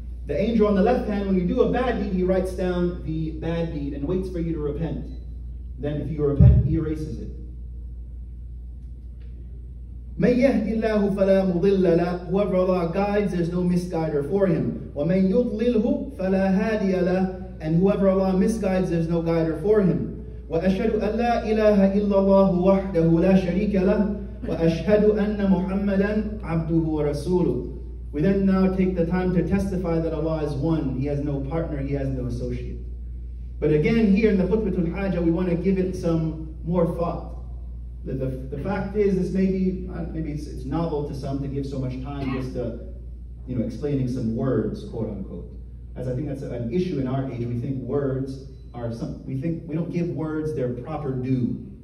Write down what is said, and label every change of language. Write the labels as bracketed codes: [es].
[en] The angel on the left hand, when you do a bad deed, he writes down the bad deed and waits for you to repent. Then if you repent, he erases it. [ar] مَنْ يَهْدِ اللَّهُ فَلَا مُضِلَّ لَهُ [en] Whoever Allah guides, there's no misguider for him. [ar] وَمَنْ يُضْلِلْهُ فَلَا هَادِيَ لَهُ [en] And whoever Allah misguides, there's no guider for him. [ar] وَأَشْهَدُ أَنْ لَا إِلَهَ إِلَّا اللَّهُ وَحْدَهُ لَا شَرِيكَ لَهُ وَأَشْهَدُ أَنَّ مُحَمَّدًا عَبْدُهُ وَرَسُولُهُ [en] We then now take the time to testify that Allah is one. He has no partner, he has no associate. But again, here in the Khutbatul Hajjah, we want to give it some more thought. The fact is, this may be, maybe it's novel to some to give so much time just to, you know, explaining some words, quote unquote. As I think that's an issue in our age, we think words are some, we think we don't give words their proper due.